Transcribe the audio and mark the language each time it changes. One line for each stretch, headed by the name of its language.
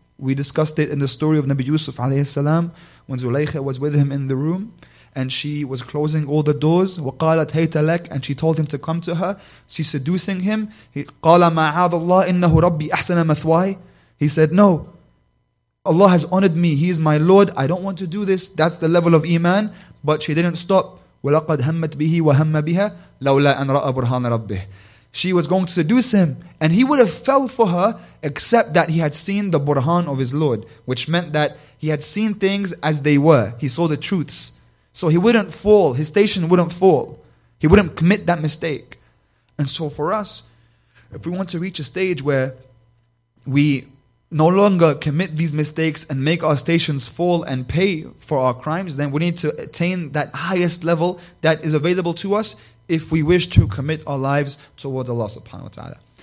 English: We discussed it in the story of Nabi Yusuf alayhi salam when Zulaykha was with him in the room. And she was closing all the doors.
Arabic: وَقَالَتْ هَيْتَ لَكَ
English: And she told him to come to her. She's seducing him.
Arabic: قَالَ مَعَاذَ اللَّهِ إِنَّهُ رَبِّي أَحْسَنَ مَثْوَاي
English: He said, no, Allah has honored me. He is my Lord. I don't want to do this. That's the level of iman. But she didn't stop.
Arabic: وَلَقَدْ هَمَّتْ بِهِ وَهَمَّ بِهَا لَوْلَا أَنْ رَأَ بُرْهَانَ رَبِّهِ
English: She was going to seduce him. And he would have fell for her, except that he had seen the burhan of his Lord, which meant that he had seen things as they were. He saw the truths. So he wouldn't fall, his station wouldn't fall. He wouldn't commit that mistake. And so for us, if we want to reach a stage where we no longer commit these mistakes and make our stations fall and pay for our crimes, then we need to attain that highest level that is available to us if we wish to commit our lives towards Allah subhanahu wa ta'ala.